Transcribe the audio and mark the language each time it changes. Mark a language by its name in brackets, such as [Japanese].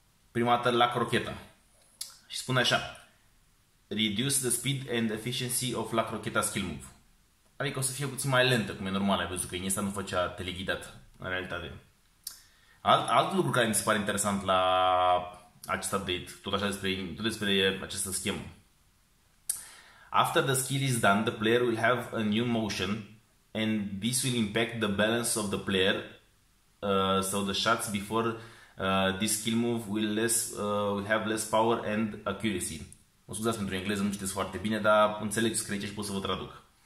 [Romanian] Prima dată la crocheta. Și spune așa: [English] Reduce the speed and efficiency of la crocheta skill move. [Romanian] Adică o să fie puțin mai lentă, cum e normal, ai văzut că Iniesta nu făcea teleghidat, în realitate. Alt lucru care mi se pare interesant la acest update, tot așa despre această schemă. [English] After the skill is done, the player will have a new motion, and this will impact the balance of the player, so the shots before this skill move will have less power and accuracy. [Romanian] Mă scuzați pentru engleză, nu știți foarte bine, dar înțeleg ce scrie aici și pot să vă traduc.